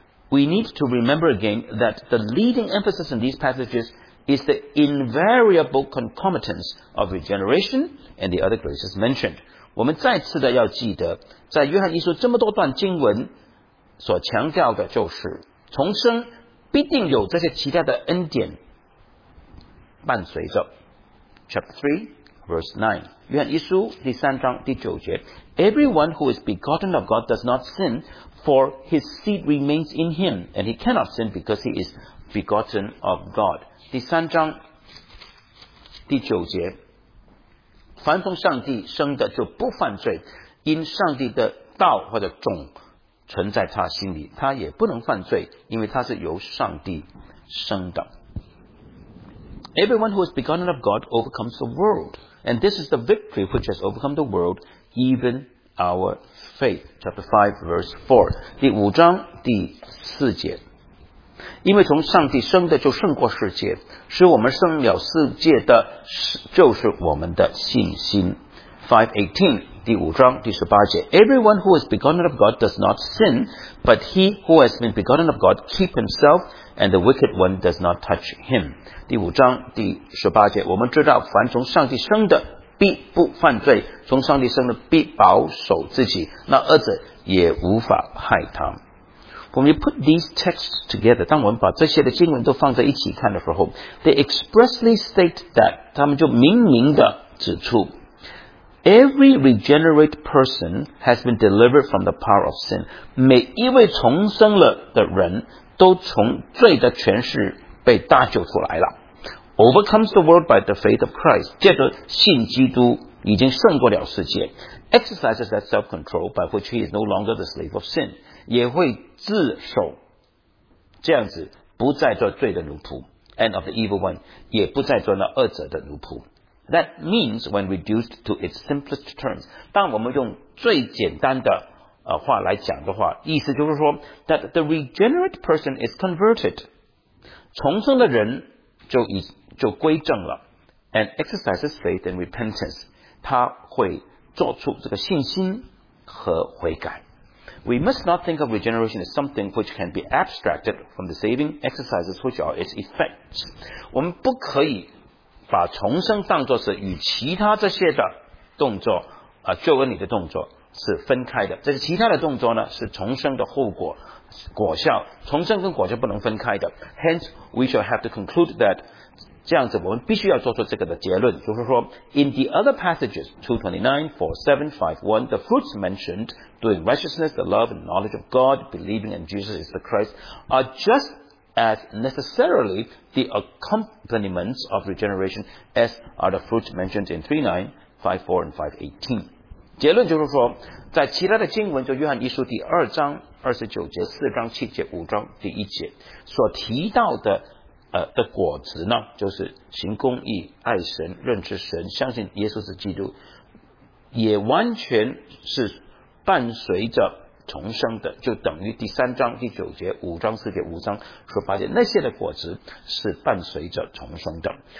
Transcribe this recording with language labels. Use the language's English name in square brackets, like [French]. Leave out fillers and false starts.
[English] We need to remember again that the leading emphasis in these passages is the invariable concomitance of regeneration and the other graces mentioned. [Chinese] 我们再次的要记得，在约翰一书这么多段经文所强调的就是重生必定有这些其他的恩典伴随着。 [English] Chapter 3 Verse 9, [Chinese] 约翰一书第三章第九节， [English] Everyone who is begotten of God does not sin, for his seed remains in him, and he cannot sin because he is begotten of God. [Chinese] 第三章第九节，凡从上帝生的就不犯罪，因上帝的道或者种存在他心里，他也不能犯罪，因为他是由上帝生的。 [English] Everyone who is begotten of God overcomes the world. And this is the victory which has overcome the world, even our faith. Chapter 5, verse 4. [Chinese] 第五章第四节。因为从上帝生的就胜过世界，使我们胜了世界的就是我们的信心。 5:18, 第五章第十八节。 [English] Everyone who is begotten of God does not sin, but he who has been begotten of God keeps himself, and the wicked one does not touch him. [Chinese] 第五章第十八节，我们知道凡从上帝生的必不犯罪，从上帝生的必保守自己，那恶者也无法害他。 [English] When we put these texts together, [Chinese] 当我们把这些的经文都放在一起看的时候， [English] they expressly state that, [Chinese] 他们就明明的指出 [English] Every regenerate person has been delivered from the power of sin. [Chinese] 每一位重生了的人都从罪的权势被搭救出来了。 [English] Overcomes the world by the faith of Christ. [Chinese] 借着信基督已经胜过了世界。 [English] Exercises that self-control by which he is no longer the slave of sin. [Chinese] 也会自守，这样子不再做罪的奴仆。 [English] And of the evil one, [Chinese] 也不再做那恶者的奴仆。 [English] That means when reduced to its simplest terms. [Chinese] 当我们用最简单的话来讲的话，意思就是说 [English] that the regenerate person is converted. [Chinese] 重生的人就归正了 [English] and exercises faith and repentance. [Chinese] 他会做出这个信心和悔改。 [English] We must not think of regeneration as something which can be abstracted from the saving exercises which are its effects. [Chinese] 我们不可以把重生当作是与其他这些的动作救恩里的动作是分开的，这些其他的动作呢是重生的后果果效，重生跟果效不能分开的。 [English] Hence we shall have to conclude that [Chinese] 这样子我们必须要做出这个的结论，就是说 [English] in the other passages 229, 47, 51 the fruits mentioned doing righteousness, the love and knowledge of God, believing in Jesus is the Christ are just as necessarily the accompaniments of regeneration as are the fruits mentioned in 39, 54 and 518. [Chinese] 结论就是说，在其他的经文，就约翰一书第二章二十九节、四章七节、五章第一节所提到的的果子呢，就是行公义、爱神、认知神、相信耶稣是基督，也完全是伴随着重生的，就等于第三章第九节、五章四节、五章所发现那些的果子是伴随着重生的。